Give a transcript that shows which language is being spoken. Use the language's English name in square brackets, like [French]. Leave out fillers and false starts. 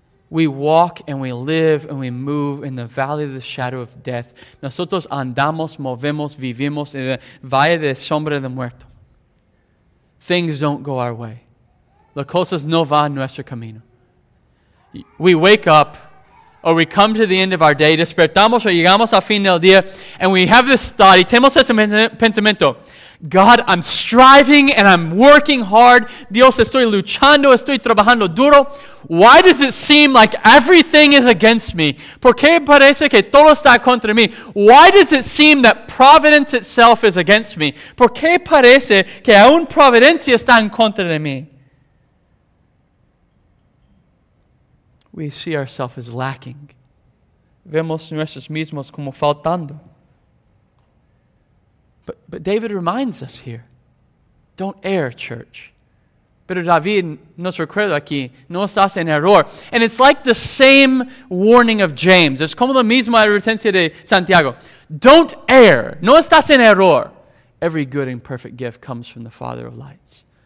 [English] We walk and we live and we move in the valley of the shadow of death. [Spanish] Nosotros andamos, movemos, vivimos en el valle de sombra de muerto. [English] Things don't go our way. [Spanish] Las cosas no van nuestro camino. [English] We wake up or we come to the end of our day, [Spanish] despertamos o llegamos al fin del día, [English] and we have this thought, [Spanish] y tenemos ese pensamiento. [English] God, I'm striving and I'm working hard. [Spanish] Dios, estoy luchando, estoy trabajando duro. [English] Why does it seem like everything is against me? [Spanish] ¿Por qué parece que todo está contra mí? [English] Why does it seem that providence itself is against me? [Spanish] ¿Por qué parece que aún providencia está en contra de mí? [English] We see ourselves as lacking. [Spanish] Vemos nuestros mismos como faltando. [English] But David reminds us here, don't err, church. [Spanish] Pero David nos recuerda aquí, no estás en error. [English] And it's like the same warning of James. [Spanish] Es como la misma advertencia de Santiago. [English] Don't err, [Spanish] no estás en error. [English] Every good and perfect gift comes from the Father of lights.